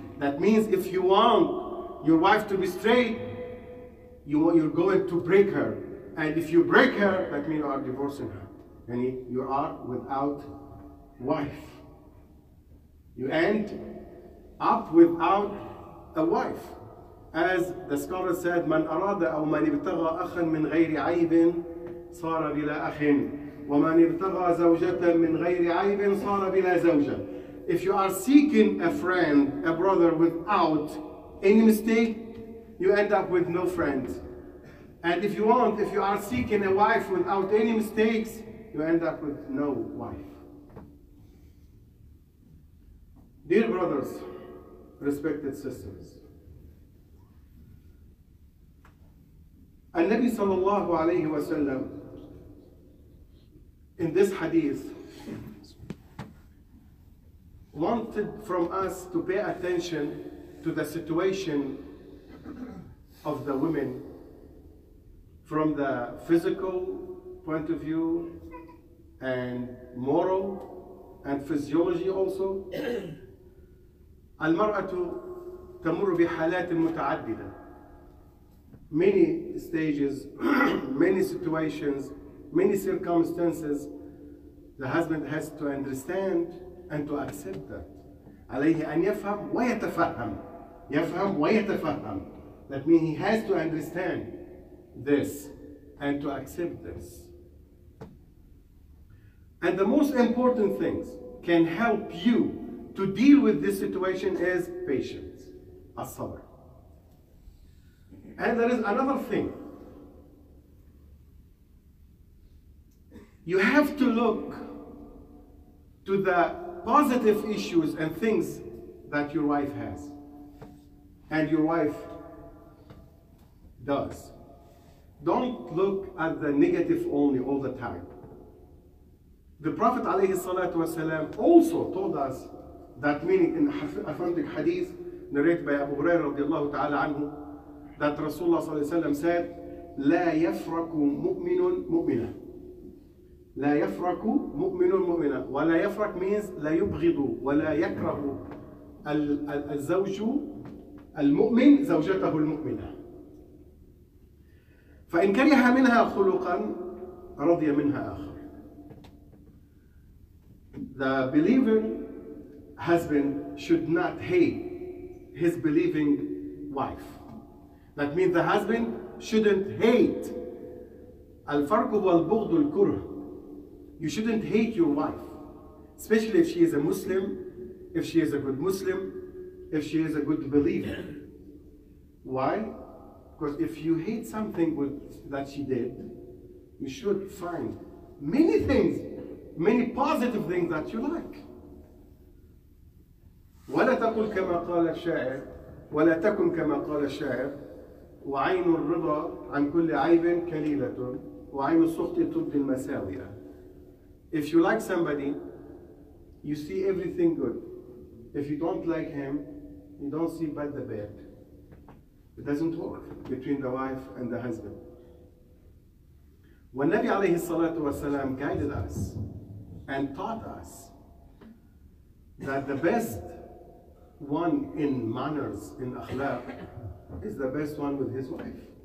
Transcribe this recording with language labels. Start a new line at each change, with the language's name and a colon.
English: That means if you want your wife to be straight, you're going to break her. And if you break her, that means you are divorcing her. And you are without wife. You end up without a wife. As the scholar said,
Arabic: من أراد أو من ابتغى أخا من غير عيب صار بلا أخ ومن ابتغى زوجة من غير عيب صار بلا زوجة.
English: If you are seeking a friend, a brother without any mistake, you end up with no friend. And if you want, if you are seeking a wife without any mistakes, you end up with no wife. Dear brothers, respected sisters,
Arabic: النبي صلى الله عليه وسلم
English: in this hadith wanted from us to pay attention to the situation of the women from the physical point of view and moral and physiology also.
Arabic: المرأة تمر بحالات متعددة.
English: Many stages, many situations, many circumstances, the husband has to understand and to accept that.
Arabic: عليه أن يفهم ويتفهم. يفهم ويتفهم.
English: That means he has to understand this and to accept this. And the most important things can help you to deal with this situation is patience, as-sabr. And there is another thing. You have to look to the positive issues and things that your wife has and your wife does. Don't look at the negative only all the time. The Prophet
Arabic: عليه الصلاة والسلام
English: also told us that meaning in authentic hadith narrated by
Arabic: Abu Hurairah رضي الله تعالى عنه
English: that Rasulullah
Arabic: صلى الله عليه وسلم
English: said
Arabic: لا يفرق مؤمن مؤمنا لا يفرق مؤمن مؤمنا ولا يفرق
English: means
Arabic: لا يبغض ولا يكره الزوج المؤمن زوجته المؤمنة فإن كره منها خلقا رضي منها آخر.
English: The believing husband should not hate his believing wife. That means the husband shouldn't hate.
Arabic: الفرق والبغض الكره.
English: You shouldn't hate your wife, especially if she is a Muslim, if she is a good Muslim, if she is a good believer. Why? Because if you hate something that she did, you should find many things, many positive things that you like.
Arabic: ولا تقل كما قال الشاعر ولا تكن كما قال الشاعر وعين الرضا عن كل عيب كليلة وعين السخط تبدي المساوية.
English: If you like somebody, you see everything good. If you don't like him, you don't see but the bad. It doesn't work between the wife and the husband. When Nabi
Arabic: عليه الصلاة والسلام
English: guided us and taught us that the best one in manners, in akhlaq, is the best one with his wife.